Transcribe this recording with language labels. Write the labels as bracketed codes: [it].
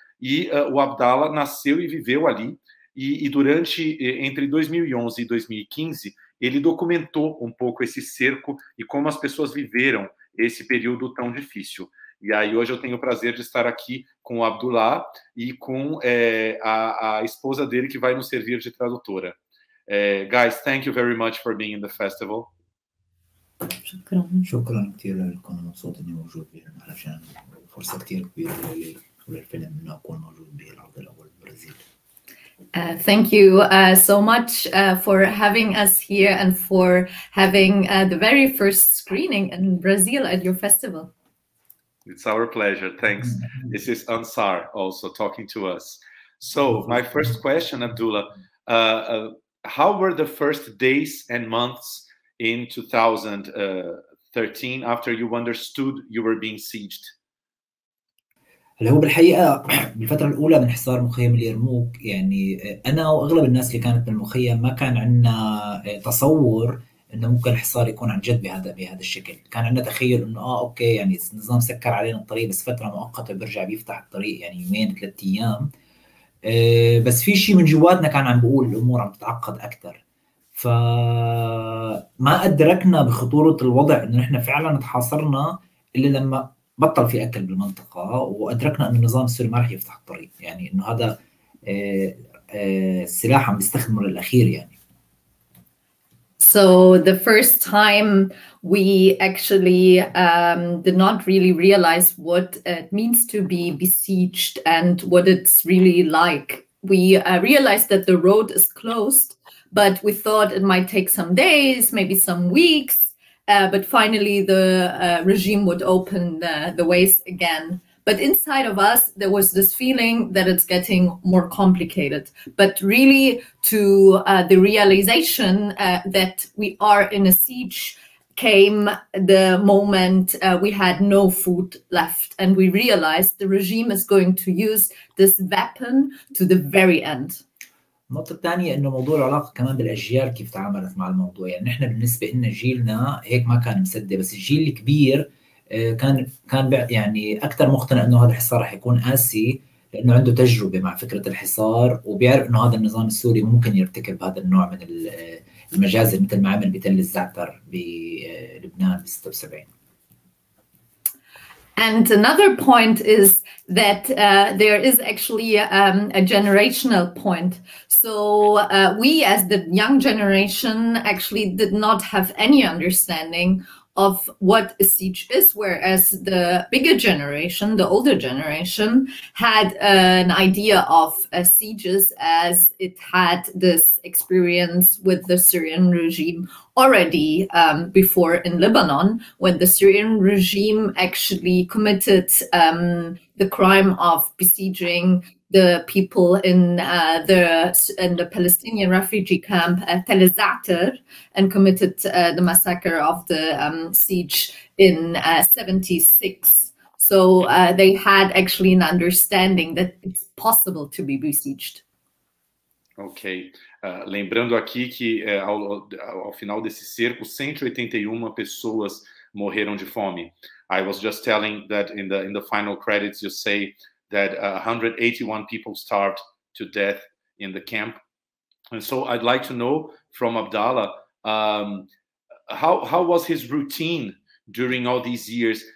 [pt] E o Abdallah nasceu e viveu ali. E durante entre 2011 e 2015, ele documentou um pouco esse cerco e como as pessoas viveram esse período tão difícil. E aí, hoje eu tenho o prazer de estar aqui com o Abdullah e com a esposa dele, que vai nos servir de tradutora. [en] Guys, thank you very much for being in the festival. [ar] شكرا شكرا كثير لكم صوتني موجود به علشان فرصة كثير كبيرة لي وللفيلم انه اكون موجود به العرض الاول بالبرازيل. [en] Thank you so much for having us here and for having the very first screening in Brazil at your festival. It's our pleasure. Thanks. This is Ansar also talking to us. So, my first question, Abdullah, how were the first days and months in 2013 after you understood you were being sieged? [ar] هلا هو بالحقيقة بالفترة الأولى من حصار مخيم اليرموك، يعني أنا وأغلب الناس اللي كانت بالمخيم ما كان عندنا تصور إنه ممكن الحصار يكون عن جد بهذا الشكل. كان عندنا تخيل إنه أوكي، يعني النظام سكر علينا الطريق بس فترة مؤقتة، بيرجع بيفتح الطريق يعني يومين 3 أيام. بس في شيء من جواتنا كان عم بيقول الأمور عم تتعقد أكثر، فما أدركنا بخطورة الوضع إنه نحن فعلا تحاصرنا إلا لما بطل في اكل بالمنطقه، وادركنا ان النظام السوري ما راح يفتح الطريق، يعني انه هذا السلاح عم بيستخدمه للاخير. يعني [en] So the first time we actually did not really realize what it means to be besieged and what it's really like. We realized that the road is closed, but we thought it might take some days, maybe some weeks. But finally, the regime would open the ways again. But inside of us, there was this feeling that it's getting more complicated. But really, to the realization that we are in a siege came the moment we had no food left. And we realized the regime is going to use this weapon to the very end. [ar] النقطة الثانية إنه موضوع العلاقة كمان بالأجيال كيف تعاملت مع الموضوع، يعني نحن بالنسبة لنا جيلنا هيك ما كان مسدي، بس الجيل الكبير كان يعني أكثر مقتنع إنه هذا الحصار رح يكون قاسي، لأنه عنده تجربة مع فكرة الحصار وبيعرف إنه هذا النظام السوري ممكن يرتكب هذا النوع من المجازر مثل ما عمل بتل الزعتر بلبنان ب 76. [en] And another point is that there is actually a generational point. So we as the young generation actually did not have any understanding of what a siege is, whereas the bigger generation, the older generation, had an idea of sieges as it had this experience with the Syrian regime already before in Lebanon, when the Syrian regime actually committed the crime of besieging the people in the Palestinian refugee camp at Tel el-Za'atar and committed the massacre of the siege in 76. So they had actually an understanding that it's possible to be besieged. Ok. [pt] Lembrando aqui que ao final desse cerco, 181 pessoas morreram de fome. [en] I was just telling that in the final credits you say that 181 people starved to death in the camp. And so I'd like to know from Abdallah, how was his routine during all these years?